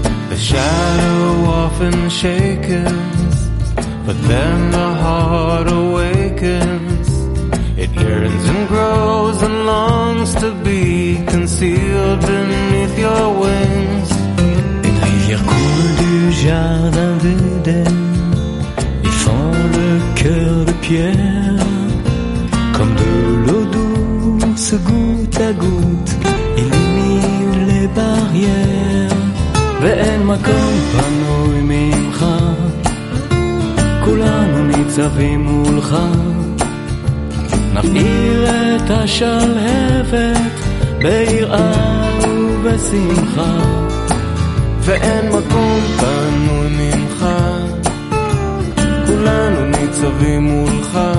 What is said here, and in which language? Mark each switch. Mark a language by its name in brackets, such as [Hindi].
[English] The shadow often shaken, but then the heart awakens. It yearns and grows and longs to be concealed beneath your wings. [French] Une rivière coule du jardin d'Eden, y fend le cœur de pierre. Comme de l'eau douce, goutte à goutte, illumine les barrières. [Hebrew] Ve'en makom panoy mimcha, כולנו ניצבים מולך. נפעיר את השלהבת ביראה ובשמחה, ואין מקום פנוי ממך, כולנו ניצבים מולך.